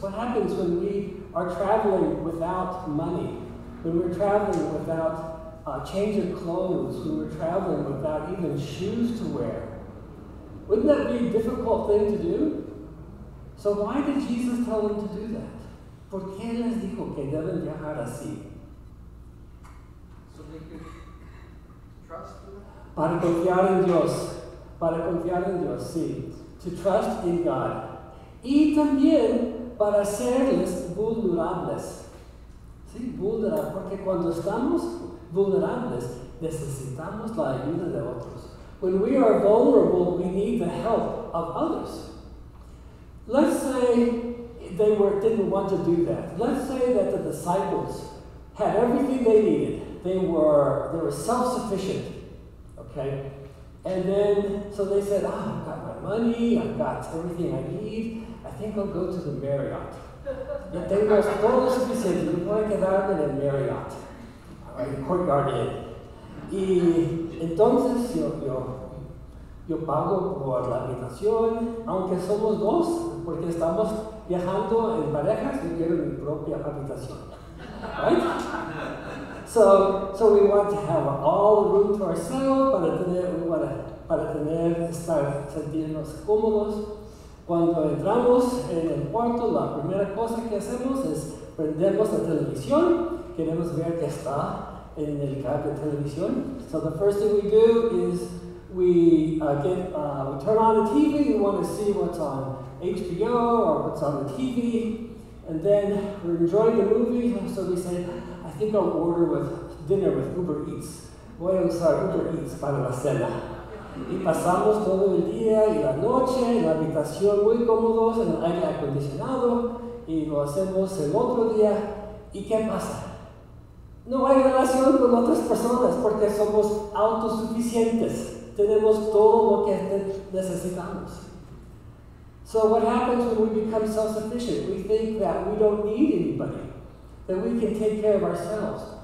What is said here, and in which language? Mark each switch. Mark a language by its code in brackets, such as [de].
[en] What happens when we are traveling without money? When we're traveling without a change of clothes? When we're traveling without even shoes to wear? Wouldn't that be a difficult thing to do? So why did Jesus tell them to do that? [es] ¿Por qué les dijo que deben viajar así? [en] So they could trust [es] him? Para confiar en Dios. Para confiar en Dios, sí. [en] To trust in God. [es] Y también para serles vulnerables. Sí, vulnerable, porque cuando estamos vulnerables, necesitamos la ayuda de otros. [en] When we are vulnerable, we need the help of others. Let's say they didn't want to do that. Let's say that the disciples had everything they needed. They were self-sufficient, okay? And then, so they said, oh, I've got my money, I've got everything I need, I think I'll go to the Marriott. But they were [es] todo suficiente, me voy a quedar en el Marriott, [en] or the Courtyard Inn. [es] Y entonces yo pago por la habitación, aunque somos dos, porque estamos viajando en parejas, yo quiero mi propia habitación, right? [en] So we want to have all the room to ourselves [es] para tener estar sentirnos cómodos. Cuando entramos en el cuarto, la primera cosa que hacemos es prendemos la televisión, queremos ver qué está en el cable de televisión. [en] So the first thing we do is we turn on the TV. We want to see what's on HBO or what's on the TV, and then we're enjoying the movie. So we say, I think I'll order with dinner with Uber Eats. [es] Voy a usar Uber Eats para la cena. Y pasamos todo el día y la noche en la habitación muy cómodos, en el aire acondicionado, y lo hacemos el otro día. ¿Y qué pasa? No hay relación con otras personas porque somos autosuficientes. Tenemos todo lo que necesitamos. [en] So what happens when we become self-sufficient? We think that we don't need anybody, that we can take care of ourselves.